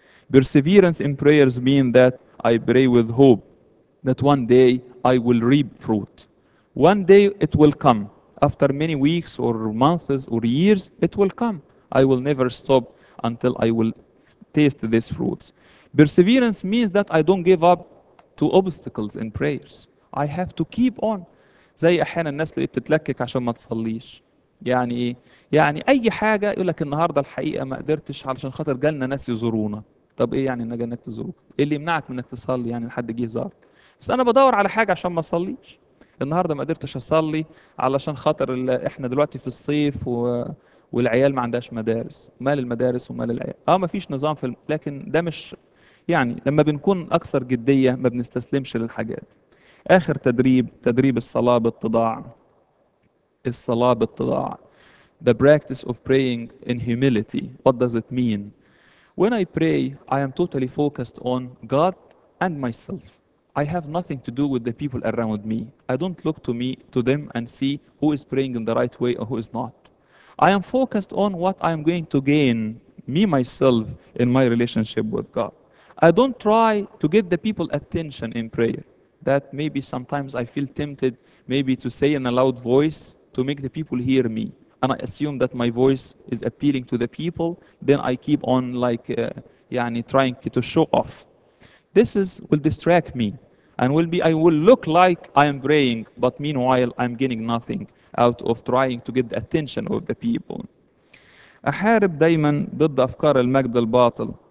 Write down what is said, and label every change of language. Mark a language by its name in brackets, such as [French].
[English] Perseverance in prayers mean that I pray with hope that one day I will reap fruit. One day it will come. After many weeks or months or years, it will come. I will never stop until I will taste these fruits. Perseverance means that I don't give up to obstacles in prayers. I have to keep on. [Arabic] زي احيانا الناس اللي بتتلكك عشان ما تصليش. يعني ايه؟ يعني اي حاجه يقول لك النهارده الحقيقه ما قدرتش علشان خاطر جالنا ناس يزورونا. طب ايه يعني انك جالك تزورك؟ ايه اللي يمنعك من انك تصلي يعني لحد جه زارك؟ بس انا بدور على حاجه عشان ما اصليش. النهارده ما قدرتش اصلي علشان خاطر احنا دلوقتي في الصيف والعيال ما عندهاش مدارس. مال المدارس ومال العيال؟ ما فيش نظام في لكن ده مش يعني لما بنكون اكثر جديه ما بنستسلمش للحاجات. آخر تدريب، تدريب الصلاة بالتضاع. الصلاة بالتضاع. [English] The practice of praying in humility. What does it mean? When I pray, I am totally focused on God and myself. I have nothing to do with the people around me. I don't look to them and see who is praying in the right way or who is not. I am focused on what I am going to gain, me myself, in my relationship with God. I don't try to get the people's attention in prayer. That maybe sometimes I feel tempted maybe to say in a loud voice to make the people hear me. And I assume that my voice is appealing to the people. Then I keep on like trying to show off. This will distract me. And I will look like I am praying, but meanwhile I'm getting nothing out of trying to get the attention of the people. [Arabic] أحارب دايما ضد أفكار المجد الباطل.